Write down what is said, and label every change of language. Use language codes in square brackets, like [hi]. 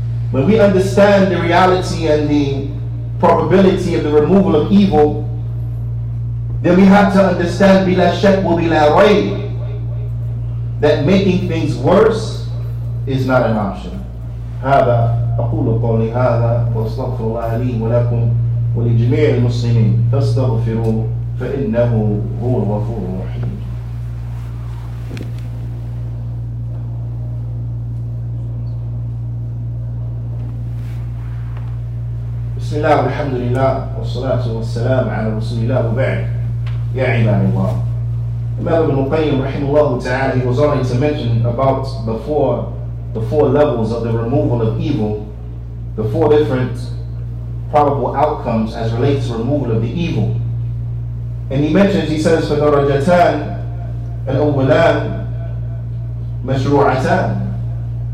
[en] When we understand the reality and the probability of the removal of evil, then we have to understand [ar] بلا شك وبلا ريب [en] that making things worse is not an option. [ar] هذا أقول قولي هذا وأستغفر الله لي ولكم ولجميع المسلمين فاستغفروا فإنه هو الغفور الرحيم. بسم الله والحمد لله والصلاة والسلام على رسول الله وبعد. يا عباد الله, [en] Imam Ibn Qayyim rahimahullah ta'ala, he was only to mention about the four levels of the removal of evil, the four different probable outcomes as relates to removal of the evil. And he mentions, he says, [ar] فَدَرَجَتَانْ الْأَوَّلَانْ مَشْرُوعَتَانْ.